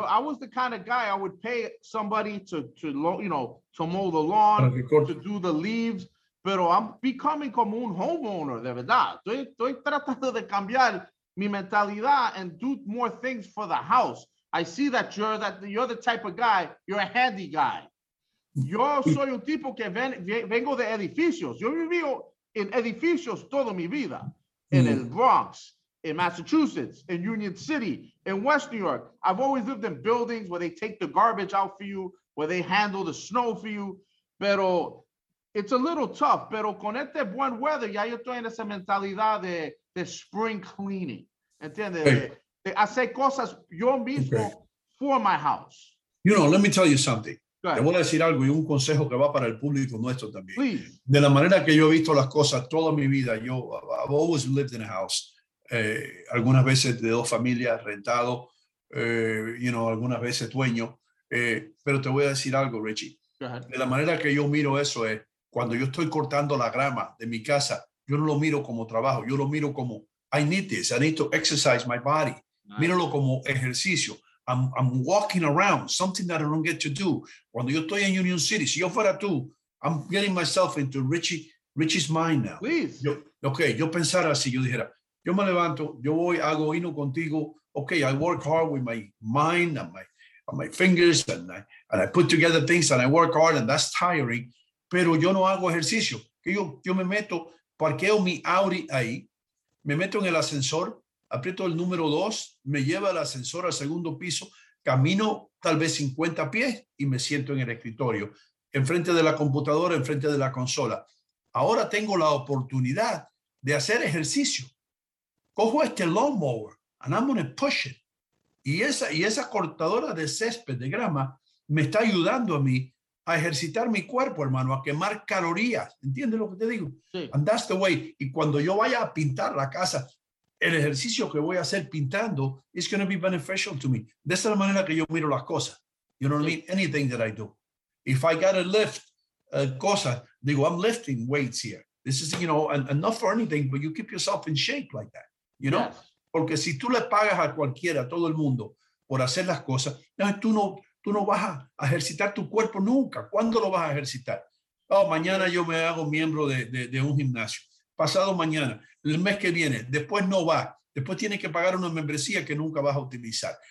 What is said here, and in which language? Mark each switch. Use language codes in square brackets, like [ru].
[en] I was the kind of guy I would pay somebody to mow the lawn, to do the leaves. [es] Pero [en] I'm becoming [es] como un homeowner, de verdad. Estoy tratando de cambiar mi mentalidad [en] and do more things for the house. I see that you're the type of guy, you're a handy guy. [es] Yo soy un tipo que vengo de edificios. Yo viví en edificios toda mi vida. En el Bronx, in Massachusetts, in Union City, in West New York. [en] I've always lived in buildings where they take the garbage out for you, where they handle the snow for you. [es] Pero [en] it's a little tough. [es] Pero con este buen [en] weather, [es] ya yo estoy en esa mentalidad de [en] the spring cleaning, [es] ¿entiendes? [en] Hey. I say [es] cosas yo mismo [en] for my house. You know, let me tell you something. [es] Te voy a decir algo y un consejo que va para el público nuestro también. [en] Please. [es] De la manera que yo he visto las cosas toda mi vida, yo, [en] I've always lived in a house. [es] Algunas veces de dos familias, rentado, algunas veces dueño. Pero te voy a decir algo, Richie. De la manera que yo miro eso es, cuando yo estoy cortando la grama de mi casa, yo no lo miro como trabajo, yo lo miro como, [en] I need this, I need to exercise my body. Nice. [es] Míralo como ejercicio. [en] I'm walking around, something that I don't get to do. [es] Cuando yo estoy en Union City, si yo fuera tú, [en] I'm getting myself into Richie's mind now. Please. [es] Yo pensara así, yo dijera, yo me levanto, yo voy, hago hino contigo. [en] Okay, I work hard with my mind and my fingers and I put together things and I work hard and that's tiring. [es] Pero yo no hago ejercicio. Yo me meto, parqueo mi Audi ahí, me meto en el ascensor, aprieto el número 2, me lleva el ascensor al segundo piso, camino tal vez 50 pies y me siento en el escritorio, enfrente de la computadora, enfrente de la consola. Ahora tengo la oportunidad de hacer ejercicio. Cojo este [en] lawnmower and I'm going to push it. [es] Y esa cortadora de césped, de grama, me está ayudando a mí a ejercitar mi cuerpo, hermano, a quemar calorías. ¿Entiendes lo que te digo? Sí. [en] And that's the way. [es] Y cuando yo vaya a pintar la casa, el ejercicio que voy a hacer pintando [en] is going to be beneficial to me. [es] De esa manera que yo miro las cosas. [en] You know what I mean? Anything that I do. If I got to lift [es] cosas, digo, [en] I'm lifting weights here. This is, and not for anything, but you keep yourself in shape like that. You know? Yes. [es] Porque si tú le pagas a cualquiera, a todo el mundo, por hacer las cosas, tú no vas a ejercitar tu cuerpo nunca. ¿Cuándo lo vas a ejercitar? Oh, mañana yo me hago miembro de un gimnasio. Pasado mañana, el mes que viene, después no va. Después tienes que pagar una membresía que nunca vas a utilizar.